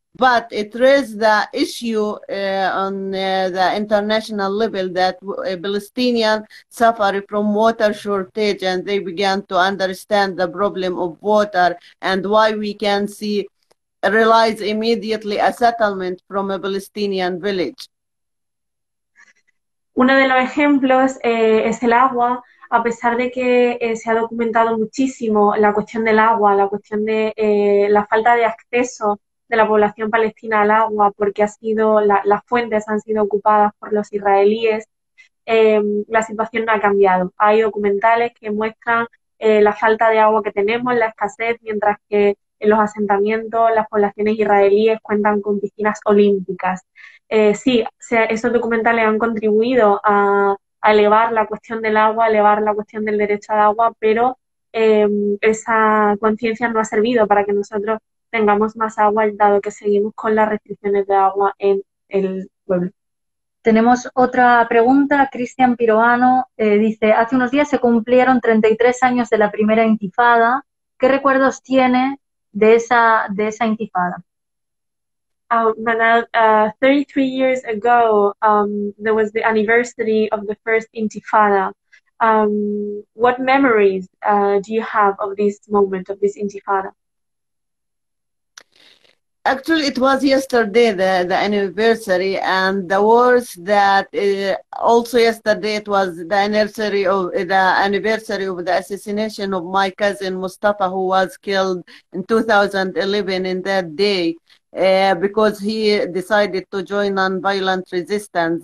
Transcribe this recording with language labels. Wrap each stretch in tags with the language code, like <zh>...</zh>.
<en>But it raised the issue on the international level that Palestinians suffer from water shortage, and they began to understand the problem of water and why we can see, realize immediately a settlement from a Palestinian village.</en> <es>Uno de los ejemplos es el agua. A pesar de que se ha documentado muchísimo la cuestión del agua, la cuestión de la falta de acceso de la población palestina al agua, porque ha sido las fuentes han sido ocupadas por los israelíes, la situación no ha cambiado. Hay documentales que muestran la falta de agua que tenemos, la escasez, mientras que en los asentamientos las poblaciones israelíes cuentan con piscinas olímpicas. Esos documentales han contribuido a elevar la cuestión del agua, a elevar la cuestión del derecho al agua, pero esa conciencia no ha servido para que nosotros tengamos más agua, dado que seguimos con las restricciones de agua en el pueblo. Tenemos otra pregunta. Cristian Piroano dice, hace unos días se cumplieron 33 años de la primera intifada. ¿Qué recuerdos tiene de esa intifada?</es> <en>Manal, 33 years ago, there was the anniversary of the first Intifada. What memories do you have of this moment, of this Intifada? Actually, it was yesterday, the anniversary, and the words that also yesterday, it was the anniversary of the assassination of my cousin Mustafa, who was killed in 2011 in that day, because he decided to join nonviolent resistance.</en>